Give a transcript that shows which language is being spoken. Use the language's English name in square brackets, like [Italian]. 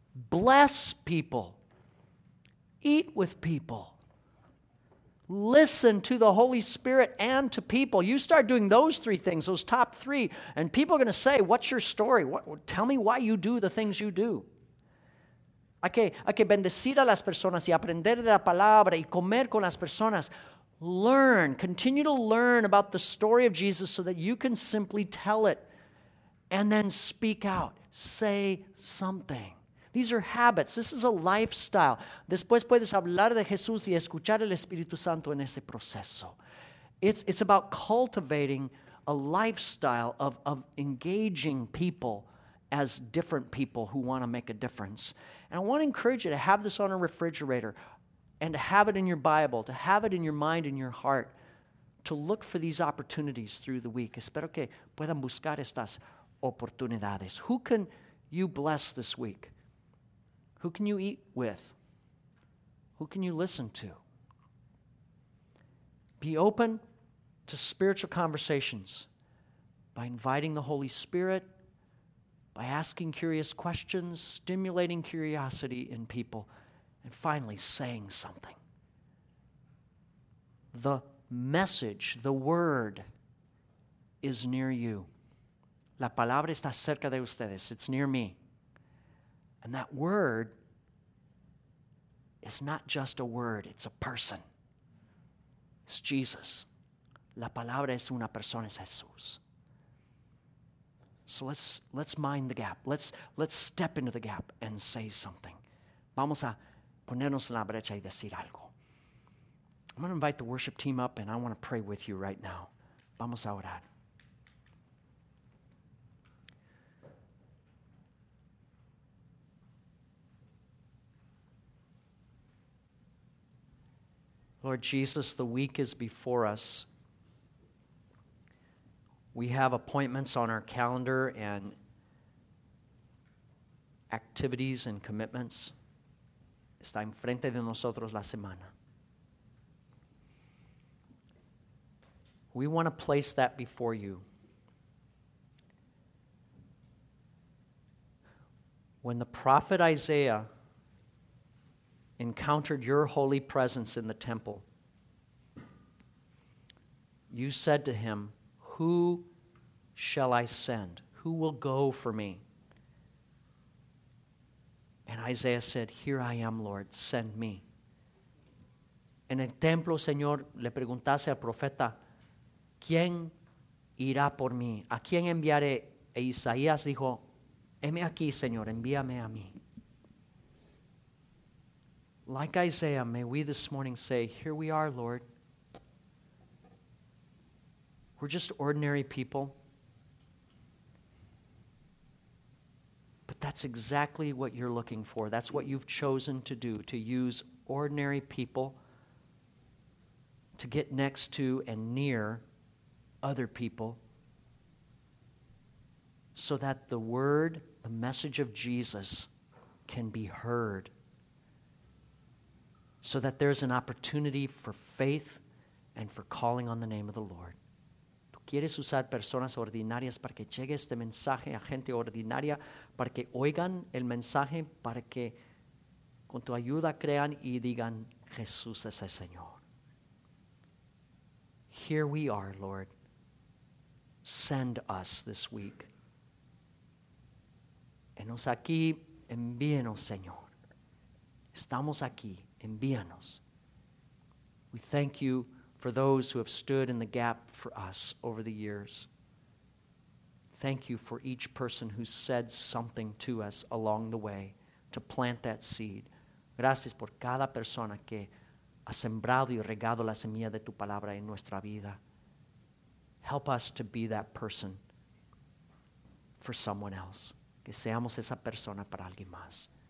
[English] Bless people. Eat with people. Listen to the Holy Spirit and to people. You start doing those three things, those top three, and people are going to say, what's your story? Tell me why you do the things you do. [Spanish] Hay que bendecir a las personas y aprender de la palabra y comer con las personas. [English] Learn. Continue to learn about the story of Jesus so that you can simply tell it. And then speak out. Say something. These are habits. This is a lifestyle. [Spanish] Después puedes hablar de Jesús y escuchar el Espíritu Santo en ese proceso. [English] It's about cultivating a lifestyle of engaging people as different people who want to make a difference. And I want to encourage you to have this on a refrigerator and to have it in your Bible, to have it in your mind and your heart, to look for these opportunities through the week. [Spanish] Espero que puedan buscar estas oportunidades. [English] Who can you bless this week? Who can you eat with? Who can you listen to? Be open to spiritual conversations by inviting the Holy Spirit, by asking curious questions, stimulating curiosity in people, and finally saying something. The message, the word, is near you. [Spanish] La palabra está cerca de ustedes. [English] It's near me. And that word, it's not just a word, it's a person. It's Jesus. [Spanish] La palabra es una persona, es Jesús. [English] So let's mind the gap. Let's step into the gap and say something. [Spanish] Vamos a ponernos en la brecha y decir algo. [English] I'm going to invite the worship team up and I want to pray with you right now. [Spanish] Vamos a orar. [English] Lord Jesus, the week is before us. We have appointments on our calendar and activities and commitments. [Spanish] Está enfrente de nosotros la semana. [English] We want to place that before you. When the prophet Isaiah encountered your holy presence in the temple, you said to him, who shall I send? Who will go for me? And Isaiah said, here I am, Lord, send me. [Spanish] En el templo, Señor, le preguntase al profeta, ¿quién irá por mí? ¿A quién enviaré? E Isaías dijo, heme aquí, Señor, envíame a mí. [English] Like Isaiah, may we this morning say, here we are, Lord. We're just ordinary people. But that's exactly what you're looking for. That's what you've chosen to do, to use ordinary people to get next to and near other people so that the word, the message of Jesus, can be heard. So that there's an opportunity for faith and for calling on the name of the Lord. [Spanish] Tú quieres usar personas ordinarias para que llegue este mensaje a gente ordinaria, para que oigan el mensaje, para que con tu ayuda crean y digan, Jesús es el Señor. [English] Here we are, Lord. Send us this week. [Spanish] Enos aquí, envíenos, Señor. Estamos aquí. Envíanos. [English] We thank you for those who have stood in the gap for us over the years. Thank you for each person who said something to us along the way to plant that seed. [Spanish] Gracias por cada persona que ha sembrado y regado la semilla de tu palabra en nuestra vida. [English] Help us to be that person for someone else. [Spanish] Que seamos esa persona para alguien más.